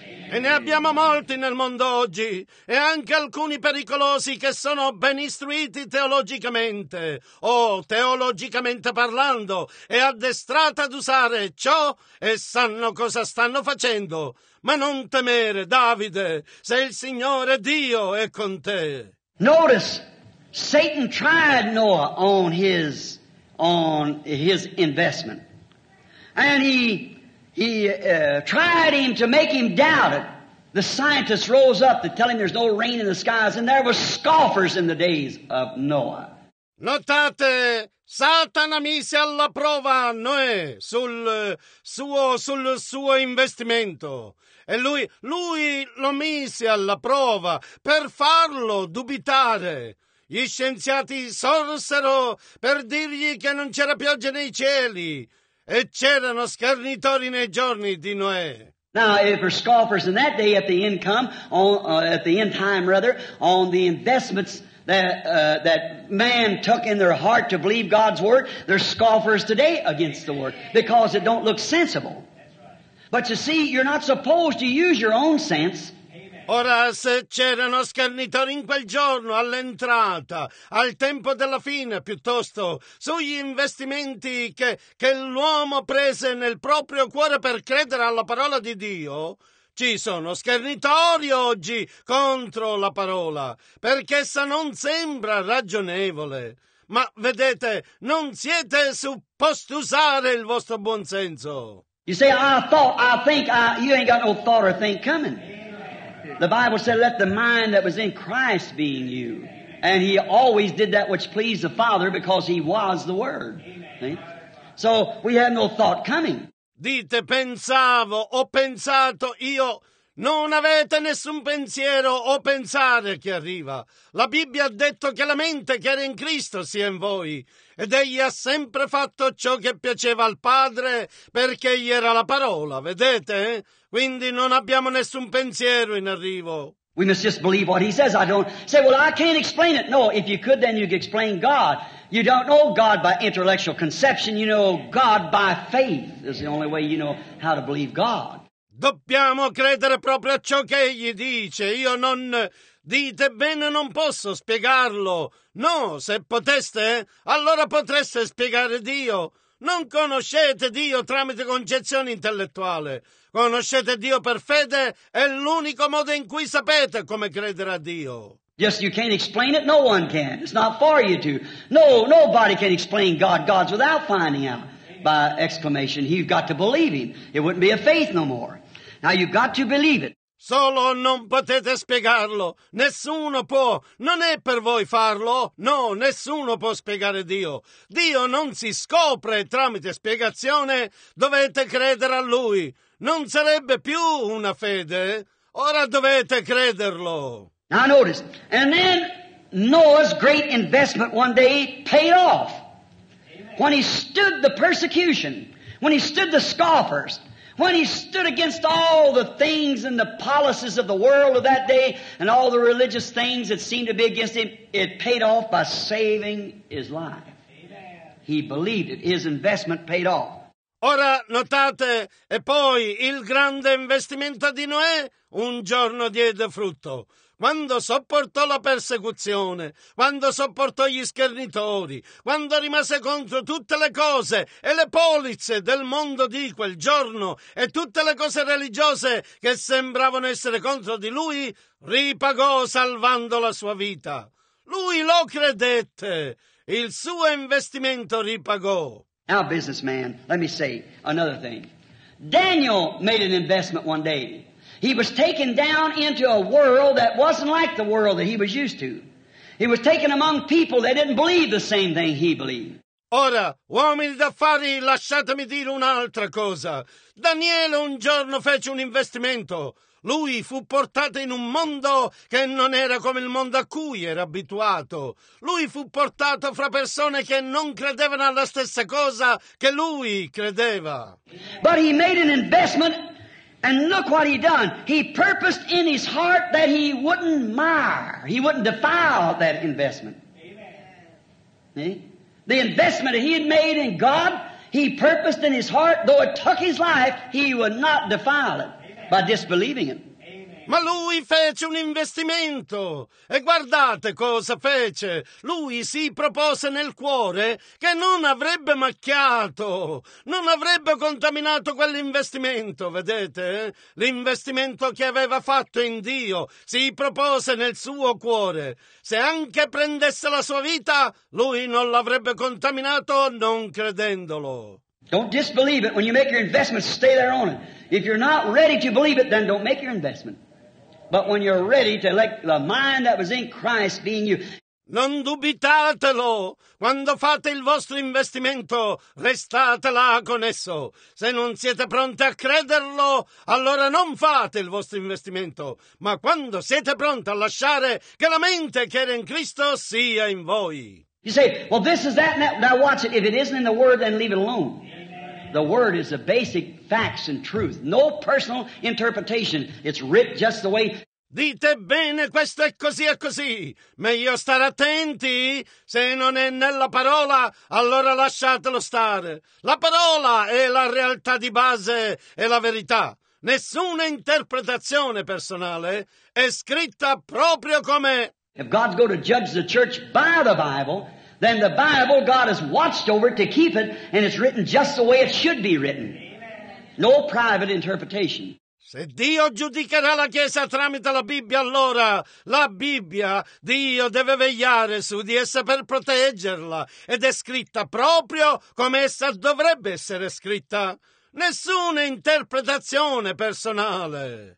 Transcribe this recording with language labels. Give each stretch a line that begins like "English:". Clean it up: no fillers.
Italian: E ne abbiamo molti nel mondo oggi, e anche alcuni pericolosi che sono ben istruiti teologicamente, o teologicamente parlando, e addestrati ad usare ciò, e sanno cosa stanno facendo. Ma non temere, Davide, se il Signore Dio è con te.
English: Notice, Satan tried Noah on his investment. And he tried him to make him doubt it. The scientists rose up to tell him there's no rain in the skies, and there were scoffers in the days of Noah.
Italian: Notate, Satana mise alla prova Noè sul suo investimento. E lui lo mise alla prova per farlo dubitare. Gli scienziati sorsero per dirgli che non c'era pioggia nei cieli e c'erano schernitori nei giorni di Noè.
English: Now, if there were scoffers in that day at the end time, on the investments that man took in their heart to believe God's word, there's scoffers today against the word because it don't look sensible. But you see, you're not supposed to use your own sense.
Italian: Ora, se c'erano schernitori in quel giorno, all'entrata, al tempo della fine, piuttosto, sugli investimenti che l'uomo prese nel proprio cuore per credere alla parola di Dio, ci sono schernitori oggi contro la parola, perché essa non sembra ragionevole. Ma vedete, non siete supposti usare il vostro buon senso.
English: You say, you ain't got no thought or think coming. The Bible said, let the mind that was in Christ be in you. And he always did that which pleased the Father because he was the Word. So we have no thought coming.
Italian: Dite, pensavo, ho pensato io. Non avete nessun pensiero o pensare che arriva. La Bibbia ha detto che la mente che era in Cristo sia in voi. Ed egli ha sempre fatto ciò che piaceva al Padre, perché egli era la parola, vedete? Quindi non abbiamo nessun pensiero in arrivo.
English: We must just believe what he says. I don't say, well, I can't explain it. No, if you could, then you could explain God. You don't know God by intellectual conception. You know God by faith. It's the only way you know how to believe God.
Italian: Dobbiamo credere proprio a ciò che egli dice. Io non, dite bene, non posso spiegarlo. No, se poteste, allora potreste spiegare Dio. Non conoscete Dio tramite concezione intellettuale. Conoscete Dio per fede, è l'unico modo in cui sapete come credere a Dio.
English: Yes, you can't explain it. No one can. It's not for you to. No, nobody can explain God. God's without finding out. By exclamation, you've got to believe him. It wouldn't be a faith no more. Now you've got to believe it.
Italian: Solo non potete spiegarlo. Nessuno può. Non è per voi farlo. No, nessuno può spiegare Dio. Dio non si scopre tramite spiegazione. Dovete credere a lui. Non sarebbe più una fede. Ora dovete crederlo.
English: Now notice. And then Noah's great investment one day paid off. When he stood the persecution, when he stood the scoffers, when he stood against all the things and the policies of the world of that day and all the religious things that seemed to be against him, it paid off by saving his life. He believed it. His investment paid off.
Italian: Ora notate, e poi il grande investimento di Noè un giorno diede frutto. Quando sopportò la persecuzione, quando sopportò gli schernitori, quando rimase contro tutte le cose e le polizze del mondo di quel giorno e tutte le cose religiose che sembravano essere contro di lui, ripagò salvando la sua vita. Lui lo credette. Il suo investimento ripagò.
English: Now, businessman, let me say another thing. Daniel made an investment one day. He was taken down into a world that wasn't like the world that he was used to. He was taken among people that didn't believe the same thing he believed.
Italian: Ora, uomini d'affari, lasciatemi dire un'altra cosa. Daniele un giorno fece un investimento. Lui fu portato in un mondo che non era come il mondo a cui era abituato. Lui fu portato fra persone che non credevano alla stessa cosa che lui credeva.
English: But he made an investment. And look what he done. He purposed in his heart that he wouldn't mire. He wouldn't defile that investment. Amen. See? The investment that he had made in God, he purposed in his heart, though it took his life, he would not defile it. Amen. By disbelieving it. Amen.
Italian: Ma lui fece un investimento e guardate cosa fece. Lui si propose nel cuore che non avrebbe macchiato, non avrebbe contaminato quell'investimento, vedete? L'investimento che aveva fatto in Dio si propose nel suo cuore. Se anche prendesse la sua vita, lui non l'avrebbe contaminato non credendolo.
English: Don't disbelieve it. When you make your investment, stay there on it. If you're not ready to believe it, then don't make your investment. But when you're ready to let the mind that was in Christ be in you.
Italian: Non dubitatelo. Quando fate il vostro investimento, restate là con esso. Se non siete pronti a crederlo, allora non fate il vostro investimento. Ma quando siete pronti a lasciare che la mente che era in Cristo sia in voi.
English: You say, well, this is that, and that. Now watch it. If it isn't in the Word, then leave it alone. Amen. The Word is the basic facts and truth. No personal interpretation. It's written just the way.
Italian: Dite bene, questo è così, meglio stare attenti. Se non è nella parola, allora lasciatelo stare. La parola è la realtà di base e la verità. Nessuna interpretazione personale è scritta proprio come.
English: If God's going to judge the church by the Bible, then the Bible, God has watched over to keep it, and it's written just the way it should be written. No private interpretation.
Italian: Se Dio giudicherà la Chiesa tramite la Bibbia, allora la Bibbia, Dio deve vegliare su di essa per proteggerla, ed è scritta proprio come essa dovrebbe essere scritta. Nessuna interpretazione personale.